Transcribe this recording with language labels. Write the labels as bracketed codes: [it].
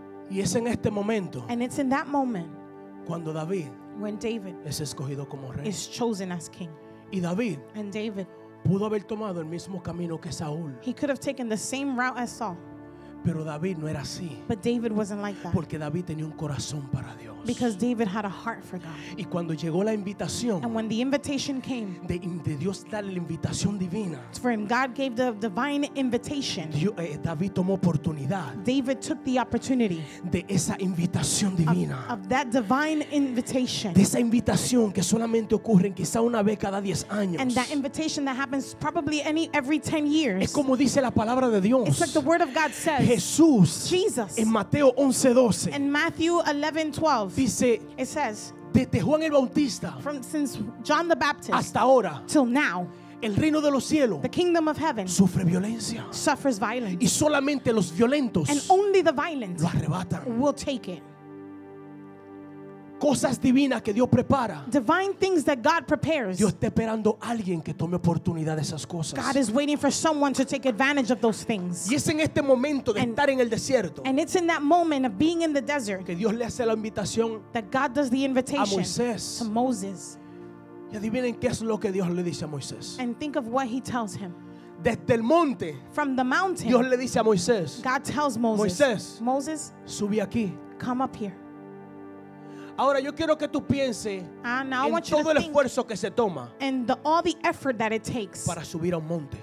[es] Y es en este momento. [en] And it's in that moment. [es] Cuando David. [en] When David. [es] Es escogido como rey. [en] Is chosen as king. [es] Y David. [en] And David. [es] Pudo haber tomado el mismo camino que Saúl. [en] He could have taken the same route as Saul. [es] Pero David no era así. [en] But David wasn't like that. [es] Porque David tenía un corazón para Dios. [en] Because David had a heart for God. [es] Y cuando llegó la invitación, [en] and when the invitation came, [es] de Dios darle la invitación divina, [en] for him, God gave the divine invitation. [es] Dios, David tomó oportunidad. [en] David took the opportunity [es] de esa invitación divina, [en] of that divine invitation. [es] De esa invitación que solamente ocurre quizá una vez cada 10 años. [en] And that invitation that happens probably every 10 years. [es] Es como dice la palabra de Dios. [en] It's like the word of God says. [es] Jesús, [en] Jesus, [es] en Mateo 11:12. [en] In Matthew 11:12. [es] Dice, [en] it says, [es] desde Juan el Bautista, [en] from since John the Baptist, [es] hasta ahora, [en] till now, [es] el reino de los cielos, [en] the kingdom of heaven, [es] sufre violencia, [en] suffers violence, [es] y solamente los violentos, [en] and only the violent, [es] lo arrebatan, [en] will take it. [es] Cosas divinas que Dios prepara. [en] Divine things that God prepares. [es] Dios está esperando a alguien que tome oportunidad de esas cosas. [en] God is waiting for someone to take advantage of those things. [es] Y es en este momento de estar en el desierto. [en] And it's in that moment of being in the desert. [es] Que Dios le hace la invitación. [en] That God does the invitation. [es] A Moisés. [en] To Moses. [es] Y adivinen qué es lo que Dios le dice a Moisés. [en] And think of what he tells him. [es] Desde el monte. [en] From the mountain. [es] Dios le dice a Moisés. [en] God tells Moses. Moses. [es] Subí aquí. [en] Come up here. [es] Ahora yo quiero que tú pienses en todo el esfuerzo que se toma para subir a un monte.